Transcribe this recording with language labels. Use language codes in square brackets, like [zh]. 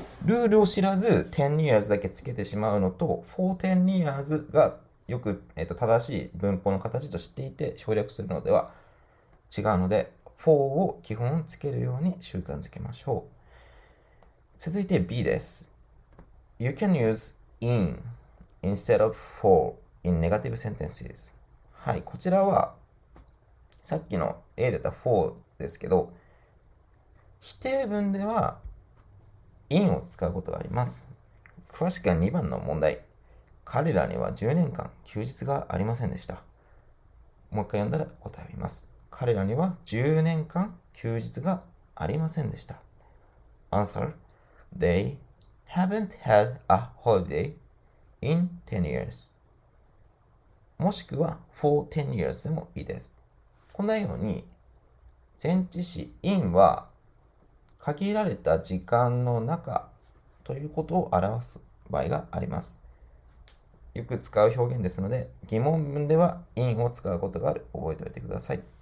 [ja] ルールを知らず [en] 10 years [ja] だけつけてしまうのと、 [en] 410 years [ja] がよく、正しい文法の形と知っていて省略するのでは違うので、4を基本つけるように習慣づけましょう。続いて B です。 [en] You can use in instead of for in negative sentences. [ja] はい、こちらはさっきの A だった4ですけど、否定文では in を使うことがあります。詳しくは2番の問題、彼らには10年間休日がありませんでした。もう一回読んだら答えを言います。彼らには10年間休日がありませんでした。 [en] Answer: They haven't had a holiday in 10 years. [ja] もしくは [en] for 10 years [ja] でもいいです。こんなように前置詞 in は限られた時間の中ということを表す場合があります。よく使う表現ですので、疑問文では in を使うことがある。覚えておいてください。